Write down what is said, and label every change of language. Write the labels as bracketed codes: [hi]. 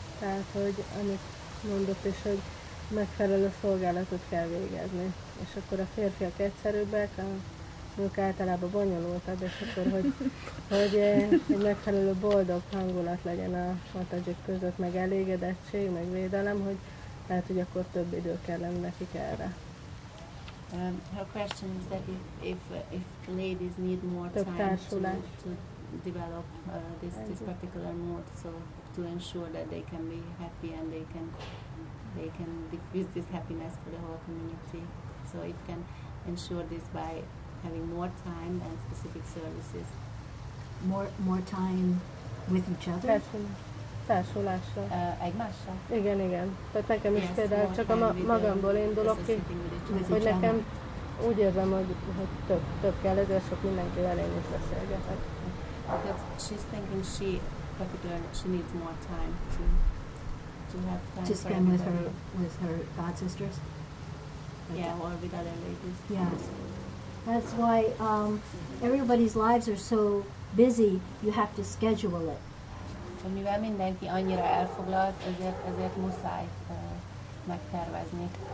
[hu] Tehát, hogy amit mondott is, hogy megfelelő szolgálatot kell végezni. És akkor a férfiak egyszerűbbek, a nők általában bonyolultabb, és akkor, hogy megfelelő boldog hangulat legyen a matajik között, meg elégedettség, meg védelem, hogy lehet, hogy akkor több idő kellene nekik erre. [en] Her question is that if ladies need more time to develop this particular mode, so to ensure that they can be happy and they can diffuse this happiness for the whole community. So it can ensure this by having more time and specific services. More time with each other? [hu] Társulással. Egymással? Igen, igen. Tehát nekem is például csak a magamból indulok ki, hogy nekem úgy érzem, hogy több kell, ezért sok mindenkivel én is beszélgetek. [en] She's thinking she needs more time to spend everybody. with her god sisters. Yeah, or with other ladies. Yes, that's why everybody's lives are so busy. You have to schedule it. [hu] Mivel mindenki annyira elfoglalt, ezért muszáj megtervezni.